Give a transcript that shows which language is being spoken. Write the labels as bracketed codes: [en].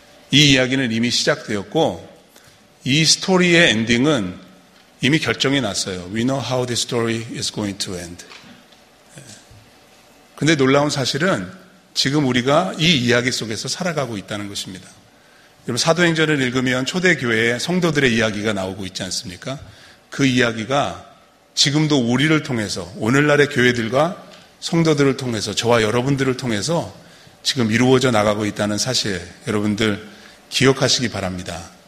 [ko] 이 이야기는 이미 시작되었고 이 스토리의 엔딩은 이미 결정이 났어요. [en] We know how this story is going to end. [ko] 근데 놀라운 사실은 지금 우리가 이 이야기 속에서 살아가고 있다는 것입니다. 여러분 사도행전을 읽으면 초대교회의 성도들의 이야기가 나오고 있지 않습니까? 그 이야기가 지금도 우리를 통해서 오늘날의 교회들과 성도들을 통해서 저와 여러분들을 통해서 지금 이루어져 나가고 있다는 사실 여러분들 기억하시기 바랍니다.